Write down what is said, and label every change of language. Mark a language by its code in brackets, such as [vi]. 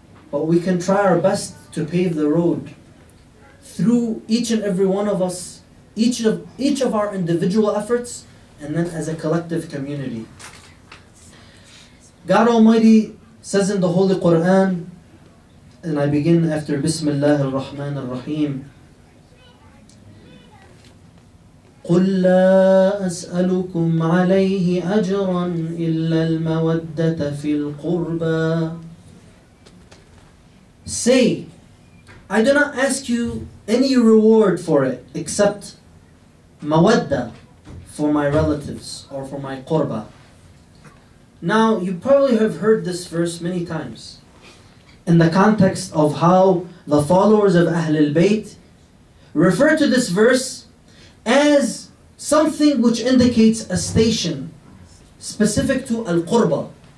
[en] But we can try our best to pave the road through each and every one of us, each of our individual efforts, and then as a collective community. God Almighty says in the Holy Quran, and I begin after Bismillah ar-Rahman ar-Rahim, [ar] قل لا أسألكم عليه أجرا إلا المودة في القربى. [en] Say, I do not ask you any reward for it except mawadda for my relatives or for my qurba. Now, you probably have heard this verse many times in the context of how the followers of Ahlul Bayt refer to this verse as something which indicates a station specific to al-qurba.